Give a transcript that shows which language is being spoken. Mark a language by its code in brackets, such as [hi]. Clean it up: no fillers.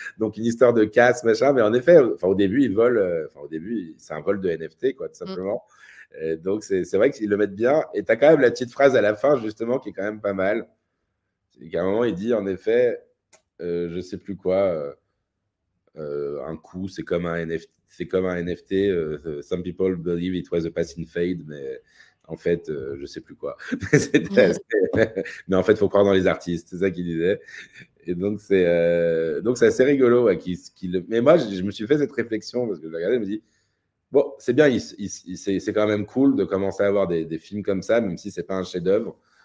[fr] Donc, une histoire de casse, machin. Mais en effet, au début, c'est un vol de NFT, quoi, tout simplement. Mm. Donc, c'est vrai qu'ils le mettent bien. Et tu as quand même la petite phrase à la fin, justement, qui est quand même pas mal. C'est qu'à un moment, il dit, en effet, je sais plus quoi, un coup, c'est comme un NFT. C'est comme un NFT. [en] Some people believe it was a passing fade, [fr] mais en fait, je ne sais plus quoi. Mais en fait, il faut croire dans les artistes, c'est ça qu'il disait. Et donc c'est assez rigolo. Ouais, mais moi, je me suis fait cette réflexion parce que je regardais, je me dis, bon, c'est bien, c'est quand même cool de commencer à avoir des films comme ça, même si ce n'est pas un chef-d'œuvre.